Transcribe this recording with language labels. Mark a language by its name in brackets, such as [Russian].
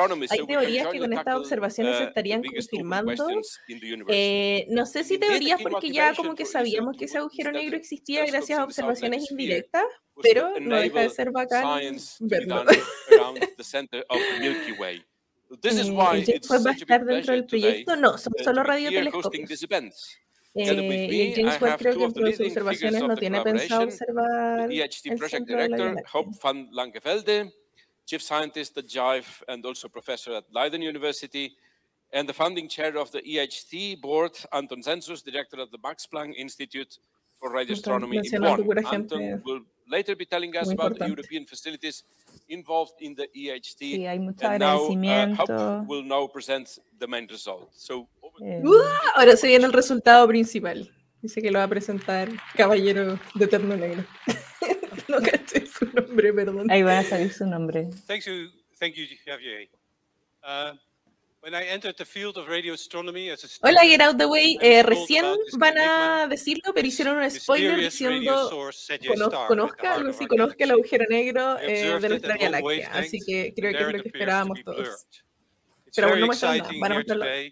[Spanish] Hay teorías que con estas observaciones se estarían confirmando. No sé si teorías porque ya como que sabíamos que ese agujero negro existía gracias a observaciones indirectas, pero no deja de ser bacán verlo. ¿Fue va a estar dentro del proyecto? No, son solo radiotelescopios. Y el James Webb creo que entre sus observaciones no tiene pensado observar el centro de la Vía Láctea. [English] Hope van Langevelde, chief scientist at JIVE and also professor at Leiden University, and the founding chair of the EHT board, Anton Zensus, director of the Max Planck Institute for Radio Astronomy in Bonn. Anton will later be telling us about the European facilities involved in the EHT. [Spanish] Sí, hay mucho agradecimiento. [English] And now, Hope will now present the main result. So, [Spanish] ahora se viene el resultado principal. Dice que lo va a presentar Caballero de Terno Negro. No caché su nombre, perdón. Ahí va a salir su nombre. [English] Thank you, Javier. When I entered the field of radio astronomy as a student, [Spanish] hola, [English] get out the way. [Spanish] Recién van a decirlo, pero hicieron un spoiler diciendo conozca el agujero negro de nuestra Vía Láctea. Así que creo que es lo que esperábamos todos. Pero aún no más nada, van a mostrarlo.